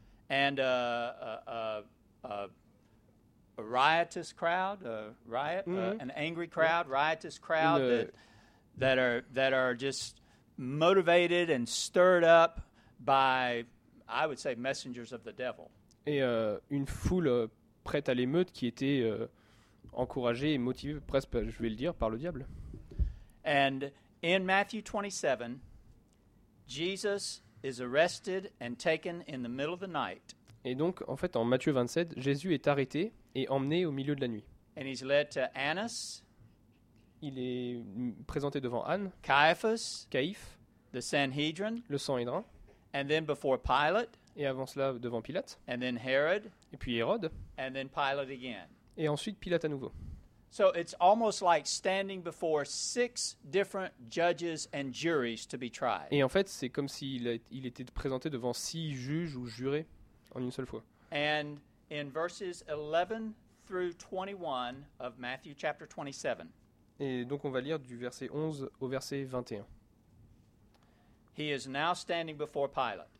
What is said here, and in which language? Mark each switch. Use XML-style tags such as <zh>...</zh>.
<en>And a riotous crowd, an angry crowd, riotous crowd that are just motivated and stirred up by, I would say, messengers of the devil.</en> <fr>Et une foule prête à l'émeute qui était encouragée et motivée, presque, je vais le dire, par le diable.</fr> <en>And in Matthew 27, Jesus is arrested and taken in the middle of the night.</en> <fr>Et donc, en fait, en Matthieu 27, Jésus est arrêté et emmené au milieu de la nuit.</fr> <en>And he's led to Annas.</en> <fr>Il est présenté devant Anne,</fr> <en>Caiaphas,</en> <fr>Caïphe,</fr> <en>the Sanhedrin,</en> <fr>le Sanhédrin,</fr> <en>and then before Pilate,</en> <fr>et avant cela devant Pilate,</fr> <en>and then Herod,</en> <fr>et puis Hérode,</fr> <en>and then Pilate again.</en> <fr>Et ensuite Pilate à nouveau.</fr> <en>So it's almost like standing before six different judges and juries to be tried.</en> <fr>Et en fait, c'est comme s'il était présenté devant six juges ou jurés en une seule fois.</fr> <en>And in verses 11 through 21 of Matthew chapter 27.</en> <fr>Et donc on va lire du verset 11 au verset 21.</fr> <en>He is now standing before Pilate.</en>